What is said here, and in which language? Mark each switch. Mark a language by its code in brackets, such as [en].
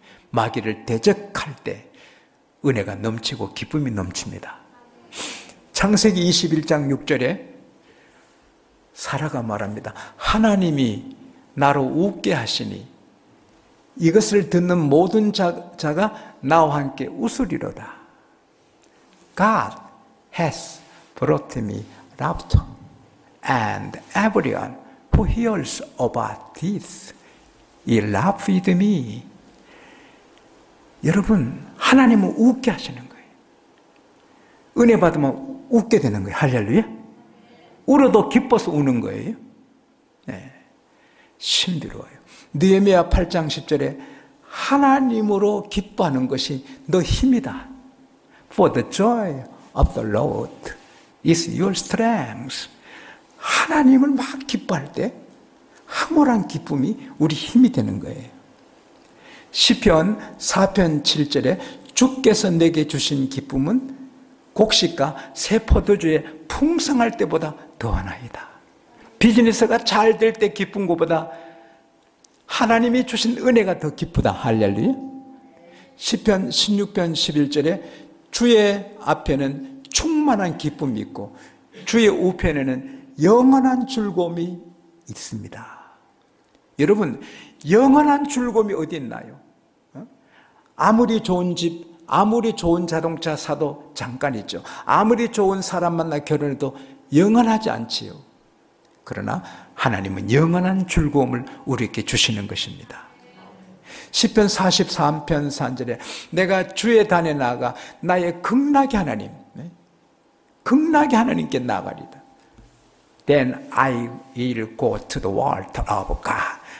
[ko] 마귀를 대적할 때 은혜가 넘치고 기쁨이 넘칩니다. 창세기 21장 6절에 사라가 말합니다. 하나님이 나로 웃게 하시니 이것을 듣는 모든 자가 나와 함께 웃으리로다. [en] God has brought me laughter, and everyone who hears about this, he laughs with me. [ko] 여러분, 하나님은 웃게 하시는 거예요. 은혜 받으면 웃게 되는 거예요. 할렐루야. 울어도 기뻐서 우는 거예요. 네. 신비로워요. 느헤미야 8장 10절에 하나님으로 기뻐하는 것이 너 힘이다. [en] For the joy of the Lord is your strength. [ko] 하나님을 막 기뻐할 때 황홀한 기쁨이 우리 힘이 되는 거예요. 시편 4편 7절에 주께서 내게 주신 기쁨은 곡식과 새 포도주에 풍성할 때보다 더하나이다. 비즈니스가 잘 될 때 기쁜 것보다 하나님이 주신 은혜가 더 기쁘다. 할렐루야. 시편 16편 11절에 주의 앞에는 충만한 기쁨이 있고 주의 우편에는 영원한 즐거움이 있습니다. 여러분, 영원한 즐거움이 어디 있나요? 아무리 좋은 집, 아무리 좋은 자동차 사도 잠깐 있죠. 아무리 좋은 사람 만나 결혼해도 영원하지 않지요. 그러나 하나님은 영원한 즐거움을 우리에게 주시는 것입니다. 시편 43편 3절에 내가 주의 단에 나아가 나의 극락의 하나님, 극락의 하나님께 나아가리다. [en] Then I will go to the water of God.